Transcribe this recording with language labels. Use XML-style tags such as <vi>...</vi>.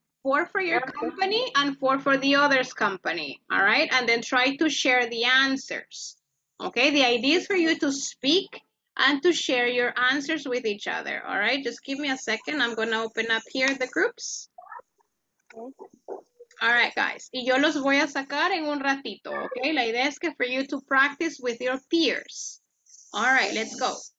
<en>4 for your company and 4 for the other's company. All right? And then try to share the answers. Okay? The idea is for you to speak and to share your answers with each other. All right? Just give me a second. I'm going to open up here the groups. All right, guys.</en> <es>Y yo los voy a sacar en un ratito.</es> <en>Okay?</en> <es>La idea es que</es> <en>for you to practice with your peers. All right, let's go.</en>